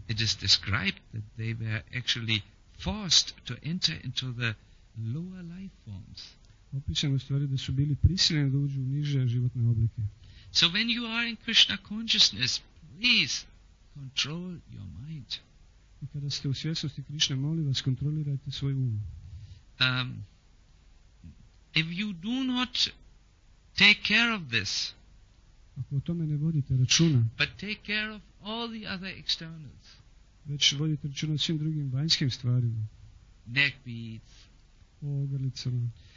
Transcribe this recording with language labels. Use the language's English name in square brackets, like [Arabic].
[English] It is described that they were actually forced to enter into the lower life forms. [Croatian] Opisano u stvari da su bili prisiljeni da uđu u niže životne oblike. [English] So when you are in Krishna consciousness, please control your mind. [Croatian] I kada ste u svjesnosti Krishna, molim vas, kontrolirajte svoj um. [English] If you do not take care of this, [Croatian] ako o tome ne vodite računa, [English] but take care of all the other externals, [Croatian] već vodite računa svim drugim vanjskim stvarima, [English] neck beads, [Croatian] o ogrlicama,